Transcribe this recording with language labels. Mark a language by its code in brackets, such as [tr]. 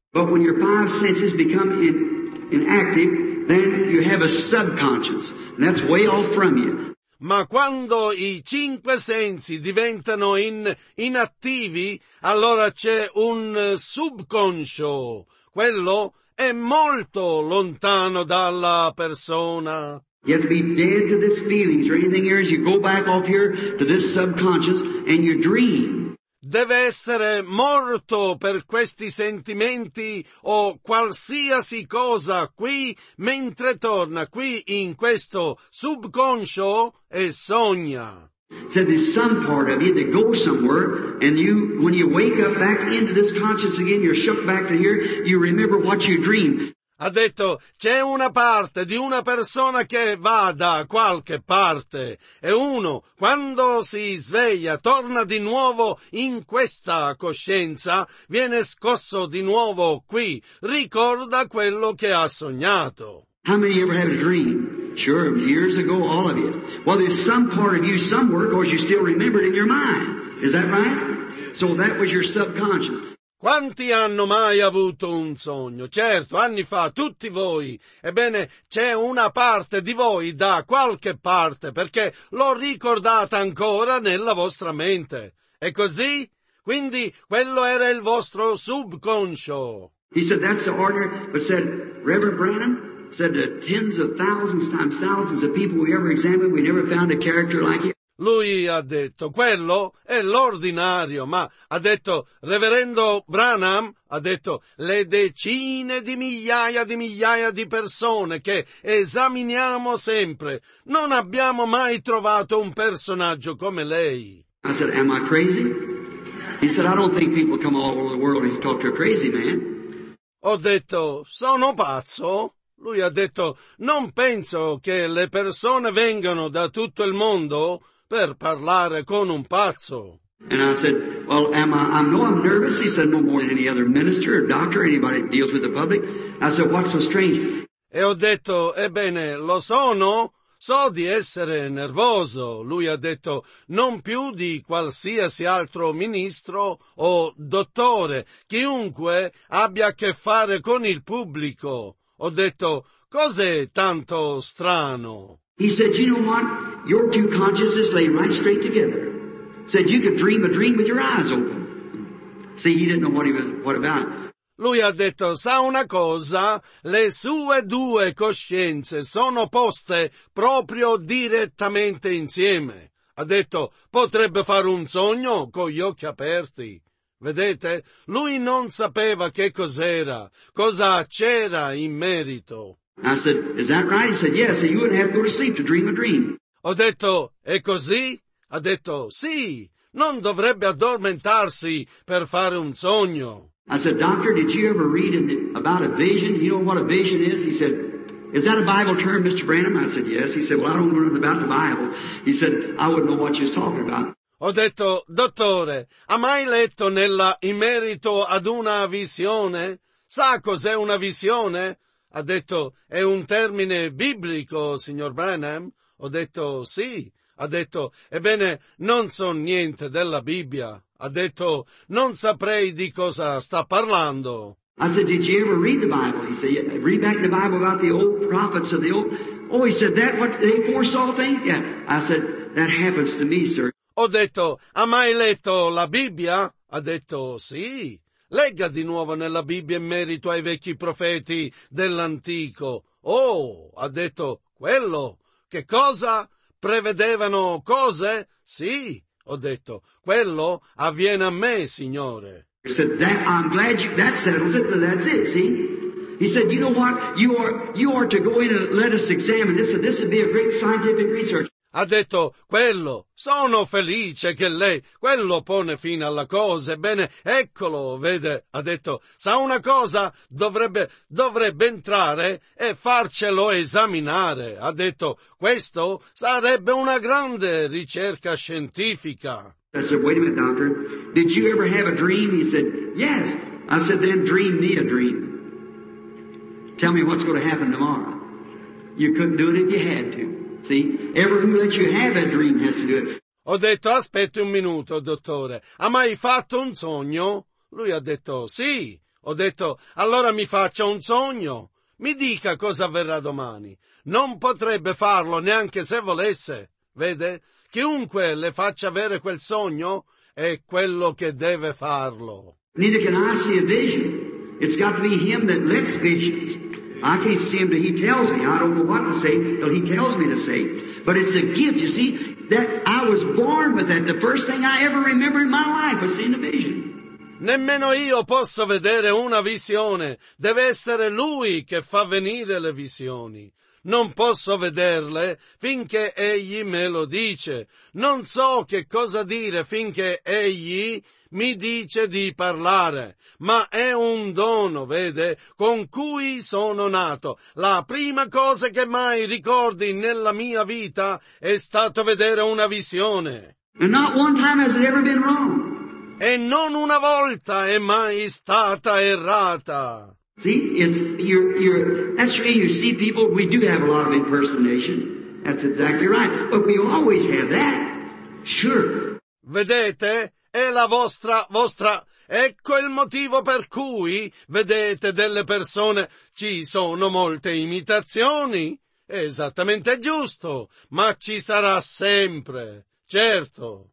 [en] But when your five senses become inactive, then you have a subconscious, and that's way off from you. [it] Ma quando i cinque sensi diventano inattivi, allora c'è un subconscio. Quello è molto lontano dalla persona. [en] You have to be dead to these feelings or anything else. You go back off here to this subconscious and you dream. [it] Deve essere morto per questi sentimenti o qualsiasi cosa qui, mentre torna qui in questo subconscio e sogna. [en] So there's some part of you that goes somewhere, and you, when you wake up back into this conscious again, you're shook back to here, you remember what you dreamed. [it] Ha detto, c'è una parte di una persona che va da qualche parte, e uno, quando si sveglia, torna di nuovo in questa coscienza, viene scosso di nuovo qui, ricorda quello che ha sognato. [en] How many ever had a dream? Sure, years ago, all of you. Well, there's some part of you somewhere, because you still remember it in your mind. Is that right? So that was your subconscious. [it] Quanti hanno mai avuto un sogno? Certo, anni fa, tutti voi. Ebbene, c'è una parte di voi da qualche parte, perché l'ho ricordata ancora nella vostra mente. E così? Quindi, quello era il vostro subconscio. [en] He said, that's the order, but said, Reverend Branham said that tens of thousands times thousands of people we ever examined, we never found a character like it. [it] Lui ha detto, quello è l'ordinario, ma ha detto, Reverendo Branham, ha detto, le decine di migliaia di persone che esaminiamo sempre, non abbiamo mai trovato un personaggio come lei. [en] I said, am I crazy? He said, I don't think people come all over the world and talk to a crazy man. [it] Ho detto, sono pazzo? Lui ha detto, non penso che le persone vengano da tutto il mondo per parlare con un pazzo. [en] And I said, well, I know I'm nervous. He said, no more than any other minister or doctor, anybody that deals with the public. I said, what's so strange? [it] E ho detto, ebbene, lo sono. So di essere nervoso. Lui ha detto, non più di qualsiasi altro ministro o dottore, chiunque abbia a che fare con il pubblico. Ho detto, cos'è tanto strano? [en] He said, you know what? Your two consciences lay right straight together. Said you could dream a dream with your eyes open. See, he didn't know what about. [it] Lui ha detto, sa una cosa? Le sue due coscienze sono poste proprio direttamente insieme. Ha detto, potrebbe fare un sogno con gli occhi aperti. Vedete? Lui non sapeva che cos'era, cosa c'era in merito. [en] I said, is that right? He said, yes, and you wouldn't have to go to sleep to dream a dream. [it] Ho detto, è così? Ha detto, sì, non dovrebbe addormentarsi per fare un sogno. [en] I said, doctor, did you ever read about a vision? You know what a vision is? He said, is that a Bible term, Mr. Branham? I said, yes. He said, well, I don't know about the Bible. He said, I wouldn't know what you're talking about. [it] Ho detto, dottore, ha mai letto in merito ad una visione? Sa cos'è una visione? Ha detto, è un termine biblico, signor Branham. Ho detto, sì. Ha detto, ebbene, non so niente della Bibbia. Ha detto, non saprei di cosa sta parlando. [en] I said, did you ever read the Bible? He said, yeah, read back the Bible about the old prophets of the old... Oh, he said, that what they foresaw things? Yeah. I said, that happens to me, sir. [it] Ho detto, ha mai letto la Bibbia? Ha detto, sì. Legga di nuovo nella Bibbia in merito ai vecchi profeti dell'antico. Oh, ha detto, quello. Che cosa? Prevedevano cose? Sì, ho detto, quello avviene a me, signore. [en] He said, that, I'm glad you, that settles it, that's it, see? He said, you know what, you are to go in and let us examine this, this would be a great scientific research. [it] Ha detto, quello, sono felice che lei, quello pone fine alla cosa, ebbene, eccolo, vede, ha detto, sa una cosa, dovrebbe entrare e farcelo esaminare. Ha detto, questo sarebbe una grande ricerca scientifica. [en] I said, wait a minute, doctor, did you ever have a dream? He said, yes. I said, then dream me a dream. Tell me what's going to happen tomorrow. You couldn't do it if you had to. See, everyone who lets you have a dream has to do it. [it] Ho detto, aspetti un minuto, dottore. Ha mai fatto un sogno? Lui ha detto, sì. Ho detto, allora mi faccia un sogno. Mi dica cosa avverrà domani. Non potrebbe farlo neanche se volesse. Vede, chiunque le faccia avere quel sogno è quello che deve farlo. [en] Neither can I see a vision. It's got to be him that lets visions. I can't see him, but he tells me. I don't know what to say, but he tells me to say. But it's a gift, you see, that I was born with that. The first thing I ever remember in my life was seeing a vision. [it] Nemmeno io posso vedere una visione. Deve essere lui che fa venire le visioni. Non posso vederle finché egli me lo dice. Non so che cosa dire finché egli mi dice di parlare, ma è un dono, vede, con cui sono nato. La prima cosa che mai ricordi nella mia vita è stato vedere una visione. [en] And not one time has it ever been wrong. [it] E non una volta è mai stata errata. [en] See, it's you're that's true. You see, people, we do have a lot of impersonation. That's exactly right. But we always have that. Sure. [it] Vedete? È la vostra, ecco il motivo per cui, vedete, delle persone, ci sono molte imitazioni. È esattamente giusto, ma ci sarà sempre, certo.